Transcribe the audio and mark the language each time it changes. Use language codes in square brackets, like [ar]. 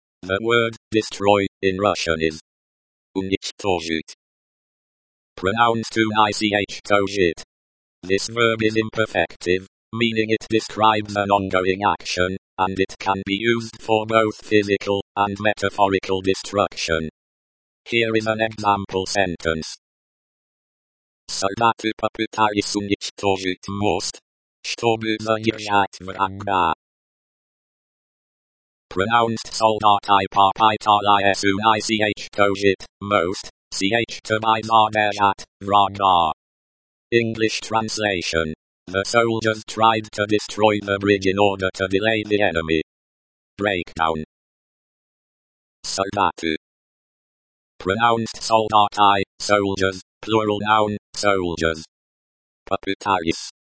[en] The word destroy in Russian is Unichtozhit. Pronounced Unichtozhit. This verb is imperfective, meaning it describes an ongoing action, and it can be used for both physical and metaphorical destruction. Here is an example sentence. [ru] Солдаты попытались уничтожить мост, чтобы задержать врага. [en] Pronounced [ru] солдаты попытались уничтожить мост, чтобы задержать врага. [en] English translation. The soldiers tried to destroy the bridge in order to delay the enemy. Breakdown. [ru] Солдаты. [en] Pronounced солдаты, soldiers, plural noun, soldiers. [ru] Попытались.